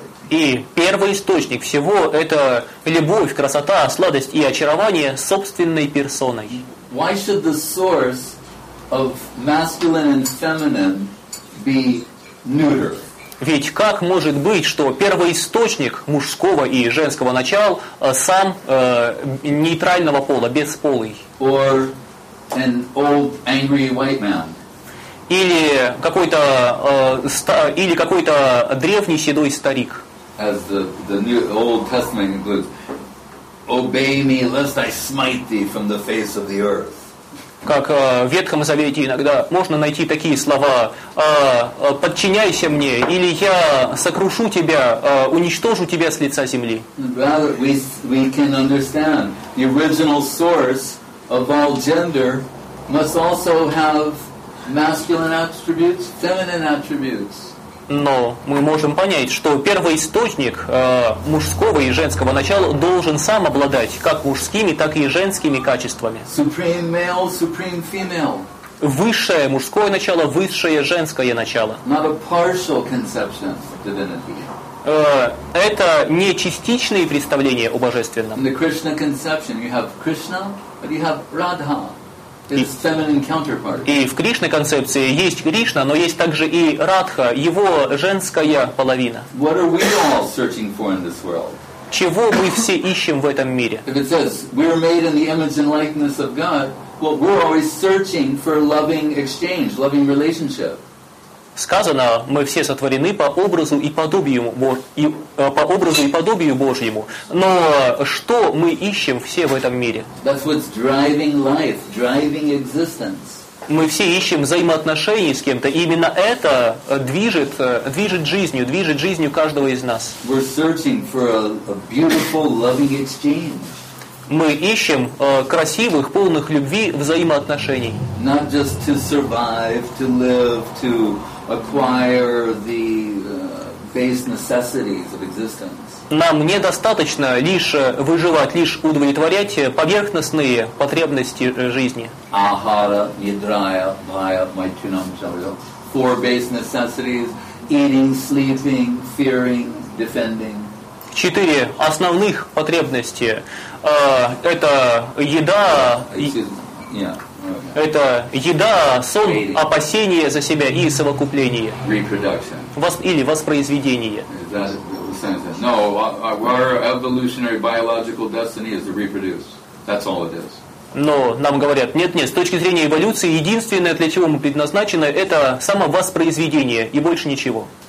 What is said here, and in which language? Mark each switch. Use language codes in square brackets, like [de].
[ru] И первый источник всего — это любовь, красота, сладость и очарование собственной персоной. [en] Why should the source of masculine and feminine be neuter? [ru] Ведь как может быть, что первоисточник мужского и женского начал сам нейтрального пола, бесполый? [en] Or an old angry white man. [ru] Или какой-то или какой-то древний седой старик. [en] As the new Old Testament includes, obey me, lest I smite thee from the face of the earth. [ru] Как в Ветхом Завете иногда можно найти такие слова: подчиняйся мне, или я сокрушу тебя, уничтожу тебя с лица земли. [en] Rather, we can understand the original source of all gender must also have masculine attributes, feminine attributes. [ru] Но мы можем понять, что первоисточник мужского и женского начала должен сам обладать как мужскими, так и женскими качествами. [en] Supreme male, supreme female. [ru] Высшее мужское начало, высшее женское начало. [en] Not a partial conception of divinity. [ru] Это не частичные представления о божественном. [en] In the Krishna conception, you have Krishna, but you have Radha. His feminine counterpart. [ru] И в Кришны концепции есть Кришна, но есть также и Радха, его женская половина. [en] What are we all searching for in this world? [ru] Чего мы все ищем в этом мире? [en] If it says we're made in the image and likeness of God, well, we're always searching for loving exchange, loving relationship. [ru] Сказано, мы все сотворены по образу и подобию Божьему. Но что мы ищем все в этом мире? [en] That's what's driving life, driving existence. [ru] Мы все ищем взаимоотношений с кем-то. И именно это движет жизнью каждого из нас. [en] We're searching for a beautiful, loving exchange. [ru] Мы ищем красивых, полных любви взаимоотношений. [en] Not just to survive, to live, to acquire the base necessities of existence. [ru] Нам недостаточно лишь выживать, лишь удовлетворять поверхностные потребности жизни. [sa] Ahara, yidraya, vaya, maitunam, jalyo. [en] Four base necessities: eating, sleeping, fearing, defending. [ru] Четыре основных потребности. Это еда, сон, опасение за себя и совокупление. Или воспроизведение. [en] No, our evolutionary biological destiny is to reproduce. That's all it is. [ru] Но нам говорят, нет, с точки зрения эволюции, единственное, для чего мы предназначены, это самовоспроизведение, и больше ничего.